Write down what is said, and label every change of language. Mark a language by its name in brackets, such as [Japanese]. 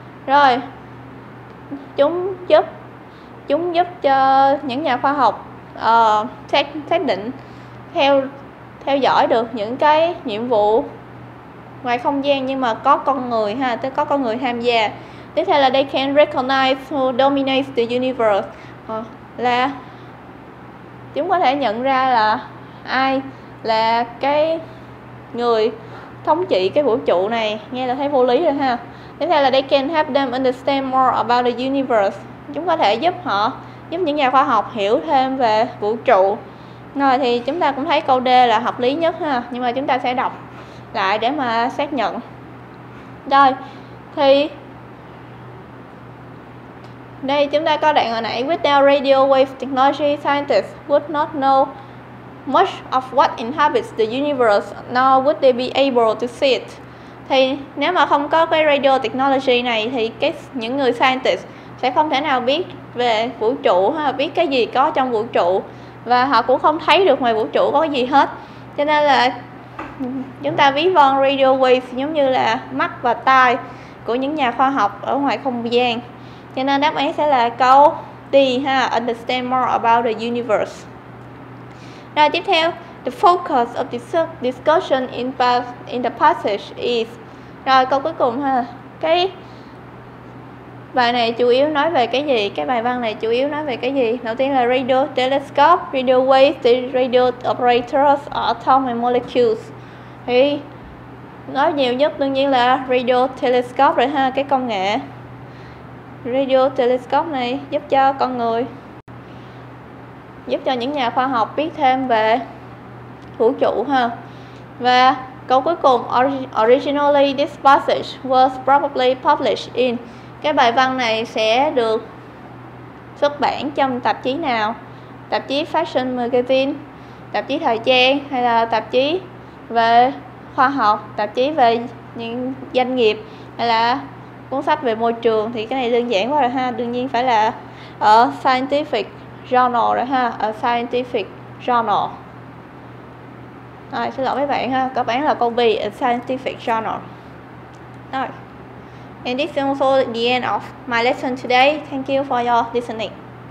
[Vietnamese] Rồi chúng giúp cho những nhà khoa học xác định theo dõi được những cái nhiệm vụ ngoài không gian nhưng mà có con người ha, tức có con người tham gia. Tiếp theo là [English] they can recognize who dominates the universe, [Vietnamese] là chúng có thể nhận ra là ai là cái người thống trị cái vũ trụ này, nghe là thấy vô lý rồi ha. Tiếp theo là [English] they can help them understand more about the universe. [Vietnamese] Chúng có thể giúp họ, giúp những nhà khoa học hiểu thêm về vũ trụ. Rồi thì chúng ta cũng thấy câu D là hợp lý nhất ha, nhưng mà chúng ta sẽ đọc lại để mà xác nhận. Rồi thì đây chúng ta có đoạn hồi nãy, [English] without radio wave technology, scientists would not know much of what inhabits the universe, nor would they be able to see it. [Vietnamese] Thì nếu mà không có cái radio technology này thì cái những người scientist sẽ không thể nào biết về vũ trụ hay biết cái gì có trong vũ trụ, và họ cũng không thấy được ngoài vũ trụ có gì hết. Cho nên là chúng ta ví von radio wave giống như là mắt và tai của những nhà khoa học ở ngoài không gian. Cho nên đáp án sẽ là câu D ha, [English] understand more about the universe. [Vietnamese] Rồi tiếp theo, [English] the focus of discussion in the passage is. [Vietnamese] Rồi câu cuối cùng ha. Cái bài này chủ yếu nói về cái gì? Cái bài văn này chủ yếu nói về cái gì? Đầu tiên là radio telescope, radio waves, radio operators, atom and molecules. Thì nói nhiều nhất đương nhiên là radio telescope rồi ha, cái công nghệ radio telescope này giúp cho con người, giúp cho những nhà khoa học biết thêm về vũ trụ ha. Và câu cuối cùng, [English] originally this passage was probably published in. [Vietnamese] Cái bài văn này sẽ được xuất bản trong tạp chí nào? Tạp chí Fashion Magazine, tạp chí thời trang, hay là tạp chí về khoa học, tạp chí về những doanh nghiệp, hay là cuốn sách về môi trường? Thì cái này đơn giản quá rồi ha, đương nhiên phải là ở Scientific Journal rồi ha, ở Scientific Journal. Rồi, xin lỗi mấy bạn ha, các bạn là câu B, Scientific Journal. Rồi, [English] and this is also the end of my lesson today. Thank you for your listening.